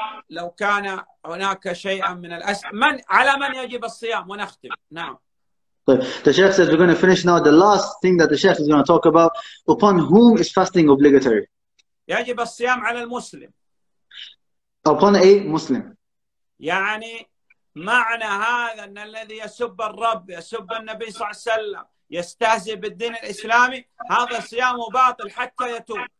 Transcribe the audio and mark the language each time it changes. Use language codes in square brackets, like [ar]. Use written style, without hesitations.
[ar] لو كان هناك شيئا من من على من يجب الصيام ونختم نعم. [en] The Sheikh says we're going to finish now. The last thing that the Sheikh is going to talk about, upon whom is fasting obligatory? [ar] يجب الصيام على المسلم. [en] Upon a Muslim. [ar] يعني معنى هذا أن الذي يسب الرب يسب النبي صلى الله عليه وسلم يستهزئ بالدين الإسلامي هذا صيام باطل حتى يتوب.